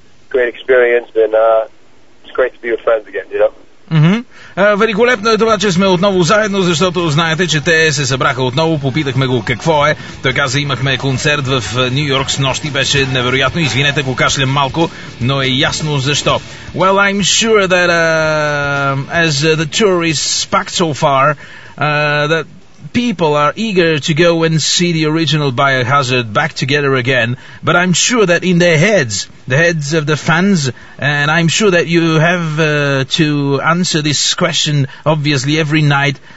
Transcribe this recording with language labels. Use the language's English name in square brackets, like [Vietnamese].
[English] Great experience, and it's great to be with friends again, you know. [Bulgarian] Великолепно е това, че сме отново заедно, защото знаете, че те се събраха отново. Попитахме го какво е. Той каза, имахме концерт в Нью Йорк с нощи. Беше невероятно. Извинете, ако кашлям малко, но е ясно защо. [English] Well, I'm sure that as the tour is packed so far, that people are eager to go and see the original Biohazard back together again. But I'm sure that in their heads, the heads of the fans, and I'm sure that you have to answer this question, obviously, every night.